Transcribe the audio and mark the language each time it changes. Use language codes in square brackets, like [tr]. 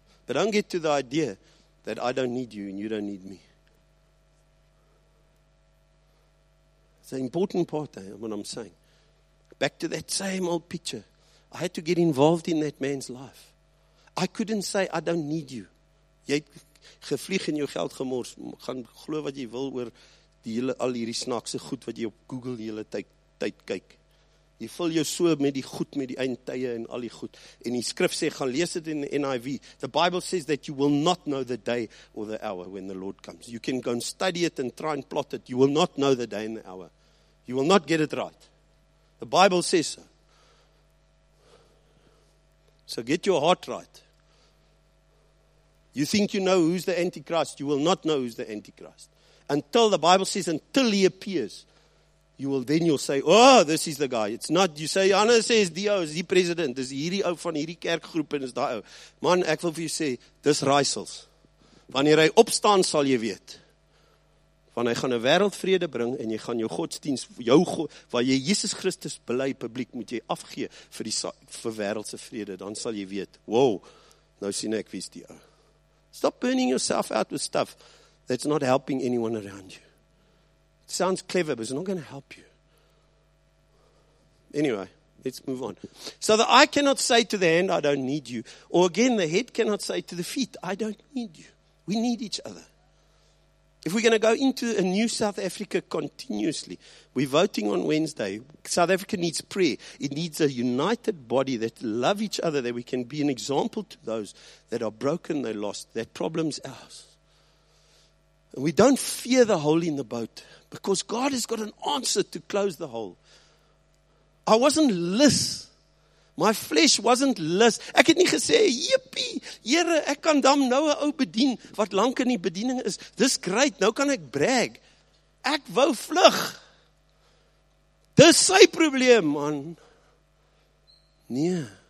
[en] But don't get to the idea that I don't need you and you don't need me. It's an important part of what I'm saying. Back to that same old picture. I had to get involved in that man's life. I couldn't say, I don't need you. [af] Jy het gevlieg en jou geld gemors. Gaan glo wat jy wil oor die hele, al hierdie snaakse goed wat jy op Google die hele tyd kyk. Jy vul jou so met die goed, met die eindtye en al die goed. En die skrif sê, gaan lees dit [en] in the NIV. The Bible says that you will not know the day or the hour when the Lord comes. You can go and study it and try and plot it. You will not know the day and the hour. You will not get it right. The Bible says so. So get your heart right. You think you know who's the Antichrist, you will not know who's the Antichrist. Until the Bible says, until he appears, you will then you'll say, oh, this is the guy. It's not, you say, Anna says, Dio, is he president? [af] Is hierdie ou van hierdie kerkgroep en is daai ou. Man, ek wil vir jou sê, dis raaisels. Wanneer hy opstaan, sal jy weet. Want hy gaan 'n wêreldvrede bring en jy gaan jou godsdiens, jou God, waar jy Jesus Christus bely publiek, moet jy afgee vir die vir wêreldse vrede. Dan sal jy weet, wow, nou sien ek wie's die ou. [en] Stop burning yourself out with stuff that's not helping anyone around you. It sounds clever, but it's not going to help you. Anyway, let's move on. So the eye cannot say to the hand, I don't need you. Or again, the head cannot say to the feet, I don't need you. We need each other. If we're going to go into a new South Africa continuously, we're voting on Wednesday. South Africa needs prayer. It needs a united body that love each other, that we can be an example to those that are broken, they're lost. That problem's ours. And we don't fear the hole in the boat because God has got an answer to close the hole. I wasn't less. My flesh wasn't less. [af] Ek het nie gesê, yippie, Here, ek kan dan nou 'n ou bedien wat lank in die bediening is. Dis great, nou kan ek brag. Ek wou vlug. Dis sy probleem, man. Nee.